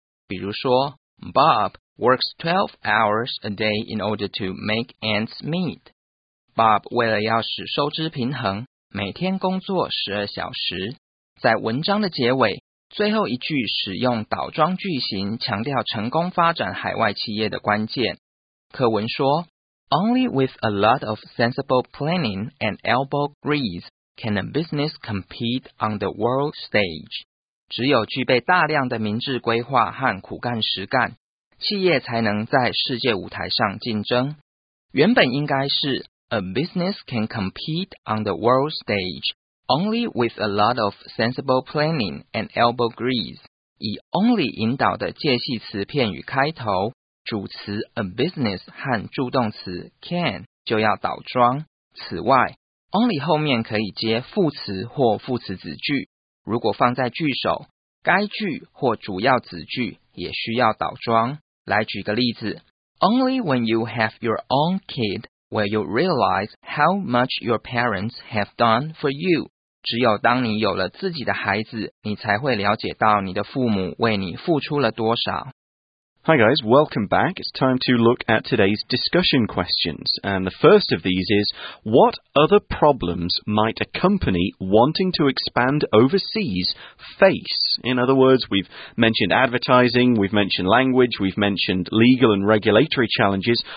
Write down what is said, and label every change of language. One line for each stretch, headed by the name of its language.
Chinese: 比如说
English: BobWorks 12 hours a day in order to make ends meet.
Chinese: Bob 为了要使收支平衡，每天工作12小时。在文章的结尾，最后一句使用倒装句型，强调成功发展海外企业的关键。课文说
English: Only with a lot of sensible planning and elbow grease can a business compete on the world stage.
Chinese: 只有具备大量的明智规划和苦干实干，企业才能在世界舞台上竞争。原本应该是
English: A business can compete on the world stage only with a lot of sensible planning and elbow grease.
Chinese: 以 only 引导的介系词片语开头，主词 a business 和助动词 can 就要倒装。此外 only 后面可以接副词或副词子句，如果放在句首，该句或主要子句也需要倒装。来举个例子，
English: Only when you have your own kid will you realize how much your parents have done for you.
Chinese: 只有当你有了自己的孩子，你才会了解到你的父母为你付出了多少。
English: Hi guys, welcome back. It's time to look at today's discussion questions. And the first of these is, what other problems might a company wanting to expand overseas face? In other words, we've mentioned advertising, we've mentioned language, we've mentioned legal and regulatory challenges.